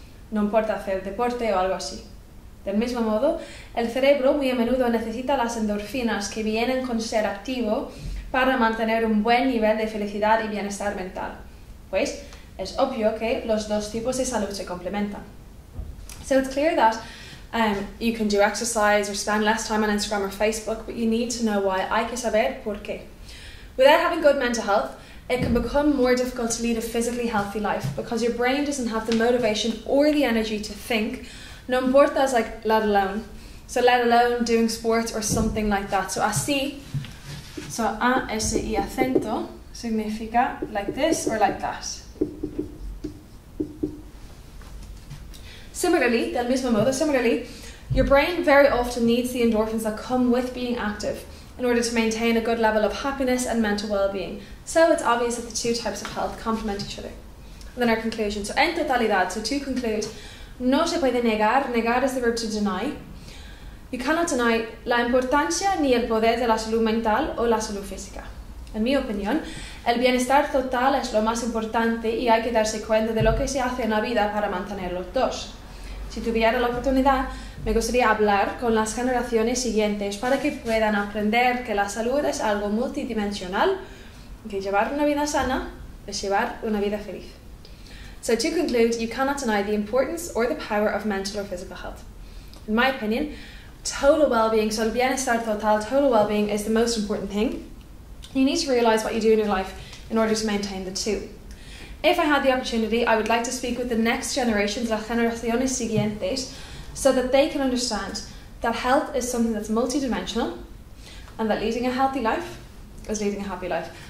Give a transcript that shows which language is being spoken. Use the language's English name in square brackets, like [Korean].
[Spanish] No importa hacer deporte o algo así. Del mismo modo, el cerebro muy a menudo necesita las endorfinas que vienen con ser activo para mantener un buen nivel de felicidad y bienestar mental. Pues es obvio que los dos tipos de salud se complementan. [English] So it's clear that you can do exercise or spend less time on Instagram or Facebook, but you need to know why. [Spanish] Hay que saber por qué. [English] Without having good mental health, it can become more difficult to lead a physically healthy life because your brain doesn't have the motivation or the energy to think, [Spanish] no importa, [English] like, let alone. So let alone doing sports or something like that. So así, so a s I acento significa like this or like that. Similarly, [Spanish] del mismo modo, [English] similarly, your brain very often needs the endorphins that come with being active in order to maintain a good level of happiness and mental well-being. So it's obvious that the two types of health complement each other. And then our conclusion. [Spanish] So en totalidad, [English] so to conclude, [Spanish] no se puede negar. [English] Negar is the verb to deny. You cannot deny [Spanish] la importancia ni el poder de la salud mental o la salud física. En mi opinión, el bienestar total es lo más importante y hay que darse cuenta de lo que se hace en la vida para mantener los dos. Si tuviera la oportunidad, me gustaría hablar con las generaciones siguientes para que puedan aprender que la salud es algo multidimensional, que llevar una vida sana es llevar una vida feliz. [English] So to conclude, you cannot deny the importance or the power of mental or physical health. In my opinion, total well-being, so [Spanish] el bienestar total, [English] total well-being is the most important thing. You need to realize what you do in your life in order to maintain the two. If I had the opportunity, I would like to speak with the next generation, [Spanish] las generaciones siguientes, [English] so that they can understand that health is something that's multidimensional and that leading a healthy life is leading a happy life.